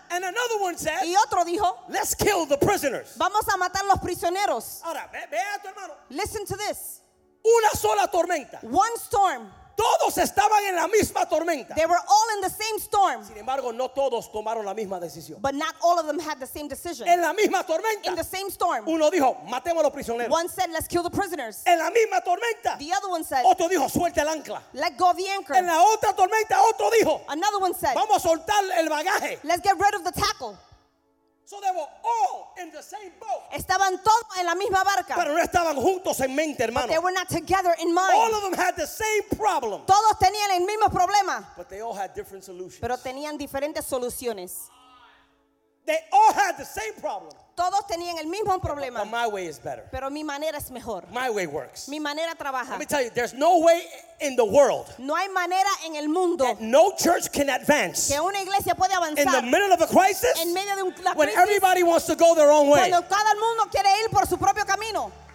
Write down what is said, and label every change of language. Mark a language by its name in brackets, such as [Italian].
[English] And another one said, [Spanish] y otro dijo, [English] let's kill the prisoners. [Spanish] Vamos a matar los prisioneros. Ahora, ve a tu hermano. [English] Listen to this. [Spanish] Una sola tormenta. [English] One storm. [Spanish] Todos estaban en la misma tormenta. [English] They were all in the same storm. [Spanish] Sin embargo, no todos tomaron la misma decisión. [English] But not all of them had the same decision. [Spanish] En la misma tormenta. [English] In the same storm. [Spanish] Uno dijo, matemos a los prisioneros. [English] One said, let's kill the prisoners. [Spanish] En la misma tormenta. [English] The other one said. [Spanish] Otro dijo, suelte el ancla. [English] Let go of the anchor. [Spanish] En la otra tormenta, otro dijo. [English] Another one said. [Spanish] Vamos a soltar el bagaje. [English] Let's get rid of the tackle. So they were all in the same boat. [Spanish] Estaban todos en la misma barca. Pero no estaban juntos en mente, hermano. [English] But they were not together in mind. All of them had the same problem. [Spanish] Todos tenían el mismo problema. [English] But they all had different solutions. [Spanish] Pero tenían diferentes soluciones. [English] They all had the same problem. [Spanish] Todos tenían el mismo problema. [English] But my way is better. [Spanish] Pero mi manera es mejor. [English] My way works. [Spanish] Mi manera trabaja. [English] Let me tell you, there's no way in the world. [Spanish] No hay manera en el mundo. [English] That no church can advance. [Spanish] Que una iglesia puede avanzar. [English] In the middle of a crisis. [Spanish] En medio de una crisis. [English] When everybody wants to go their own way. [Spanish] Cuando cada mundo quiere ir por su propio camino.